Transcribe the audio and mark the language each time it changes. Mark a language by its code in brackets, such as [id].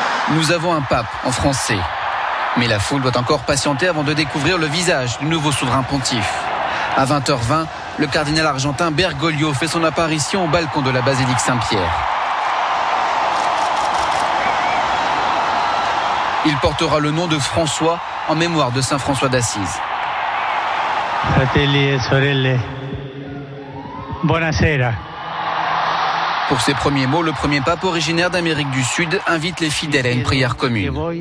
[fr] Nous avons un pape en français. Mais la foule doit encore patienter avant de découvrir le visage du nouveau souverain pontife. À 20h20, le cardinal argentin Bergoglio fait son apparition au balcon de la basilique Saint-Pierre. Il portera le nom de François en mémoire de saint François d'Assise. [it] Fratelli e sorelle, buonasera. [fr] Pour ses premiers mots, le premier pape originaire d'Amérique du Sud invite les fidèles à une prière commune.